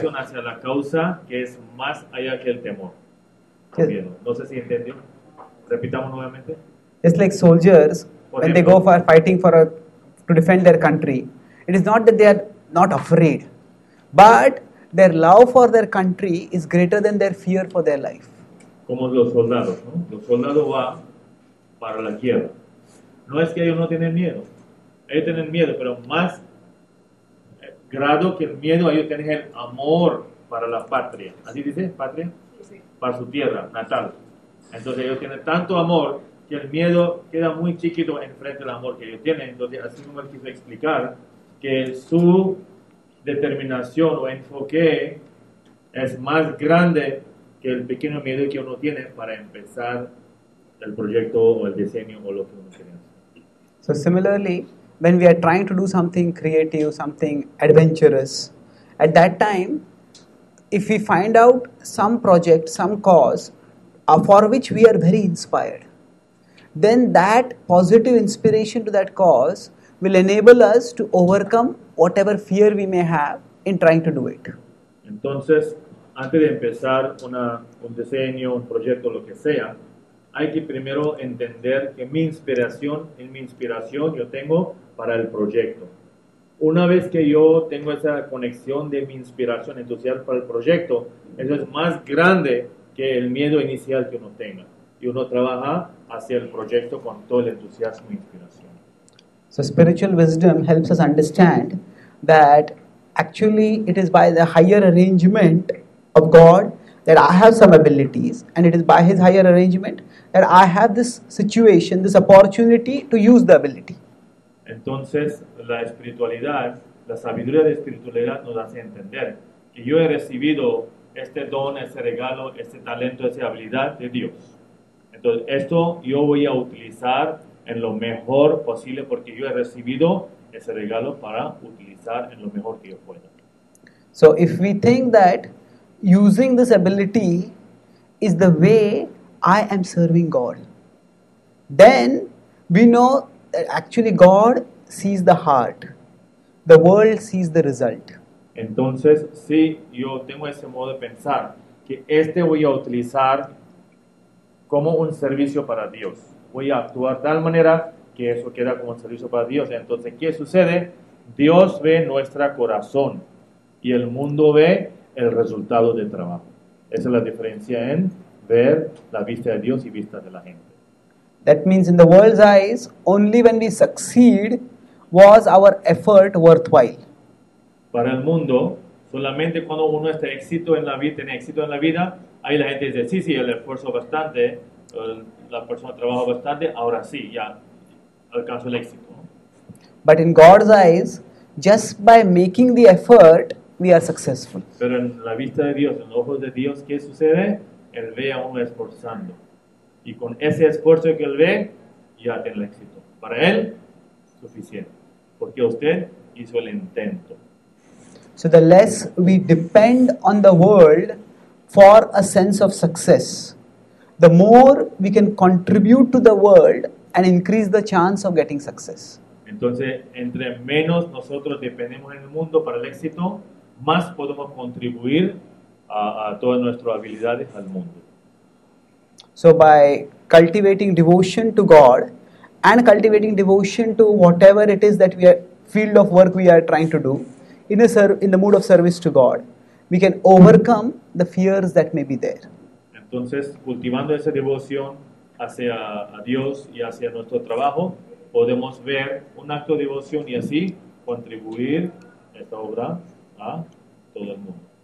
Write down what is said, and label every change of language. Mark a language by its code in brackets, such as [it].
[es] Dedicación hacia la causa que es más allá que el temor. No sé si entendió. Repitamos nuevamente. [en] It's like soldiers, when they go for fighting to defend their country, it is not that they are not afraid, but their love for their country is greater than their fear for their life. [es] Como los soldados, ¿no? Los soldados van para la guerra. No es que ellos no tienen miedo. Ellos tienen miedo, pero más grado que el miedo, ellos tienen el amor para la patria. ¿Así dice? ¿Patria? Sí. Para su tierra natal. Entonces ellos tienen tanto amor que el miedo queda muy chiquito en frente al amor que ellos tienen. Entonces, así como él quiso explicar, que su determinación o enfoque es más grande que el pequeño miedo que uno tiene para empezar el proyecto o el diseño o lo que uno quiere hacer. [en] So similarly, when we are trying to do something creative, something adventurous, at that time, if we find out some project, some cause for which we are very inspired, then that positive inspiration to that cause will enable us to overcome whatever fear we may have in trying to do it. [es] Entonces, antes de empezar un diseño, un proyecto, lo que sea, hay que primero entender que en mi inspiración yo tengo para el proyecto. Una vez que yo tengo esa conexión de mi inspiración, entusiasmo para el proyecto, eso es más grande que el miedo inicial que uno tenga. Y uno trabaja hacia el proyecto con todo el entusiasmo e inspiración. [en] So spiritual wisdom helps us understand that actually it is by the higher arrangement of God that I have some abilities, and it is by His higher arrangement that I have this situation, this opportunity to use the ability. [es] Entonces, la espiritualidad, la sabiduría de espiritualidad nos hace entender que yo he recibido este don, este regalo, este talento, esta habilidad de Dios. Entonces, esto yo voy a utilizar en lo mejor posible porque yo he recibido ese regalo para utilizar en lo mejor que yo pueda. [en] So, if we think that using this ability is the way I am serving God, then we know that actually God sees the heart. The world sees the result. [es] Entonces, si yo tengo ese modo de pensar, que este voy a utilizar como un servicio para Dios. Voy a actuar tal manera que eso queda como un servicio para Dios. Entonces, ¿qué sucede? Dios ve nuestro corazón y el mundo ve el resultado del trabajo. Esa es la diferencia en ver la vista de Dios y vista de la gente. [en] That means in the world's eyes, only when we succeed was our effort worthwhile. [es] Para el mundo, solamente cuando uno está éxito en la vida, tiene éxito en la vida, ahí la gente dice, sí, el esfuerzo bastante, la persona trabaja bastante, ahora sí, ya alcanzó el éxito. [en] But in God's eyes, just by making the effort, we are successful. [es] Pero en la vista de Dios, en los ojos de Dios, ¿qué sucede? Él ve a uno esforzando. Y con ese esfuerzo que él ve, ya tiene el éxito. Para él, suficiente. Porque usted hizo el intento. [en] So the less we depend on the world for a sense of success, the more we can contribute to the world and increase the chance of getting success. [es] Entonces, entre menos nosotros dependemos en el mundo para el éxito, más podemos contribuir a todas nuestras habilidades al mundo. [en] So by cultivating devotion to God and cultivating devotion to whatever it is that we are field of work we are trying to do in the mood of service to God, we can overcome the fears that may be there. [es] Entonces, cultivando esa devoción hacia a Dios y hacia nuestro trabajo, podemos ver un acto de devoción y así contribuir a esta obra. A todo el mundo.